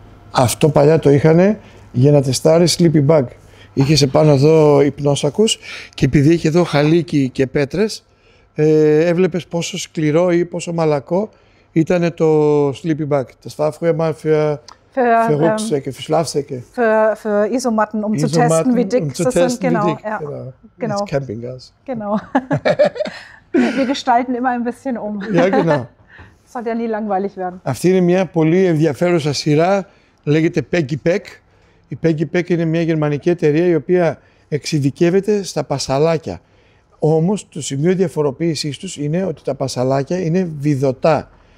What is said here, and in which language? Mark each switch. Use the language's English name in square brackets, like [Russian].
[Greek] Αυτό παλιά το είχανε για να τεστάρει sleepy bag. Είχες επάνω εδώ υπνόσακους και επειδή είχε εδώ χαλίκι και πέτρες, έβλεπες πόσο σκληρό ή πόσο μαλακό ήταν το sleepy bag. Τα σφάφουε μάφια... [German] Für Isomatten, um zu testen, wie dick sie sind. Genau, genau. Camping Gas. Genau. Wir gestalten immer ein bisschen um. Ja, genau. Soll ja nie langweilig werden. [Greek] Αυτή είναι μια πολύ ενδιαφέρουσα σειρά, λέγεται Peggy Peck. Η Peggy Peck είναι μια γερμανική εταιρεία η οποία εξειδικεύεται στα πασαλάκια. Όμως το σημείο διαφοροποίησης τους είναι ότι τα πασαλάκια είναι βιδωτά.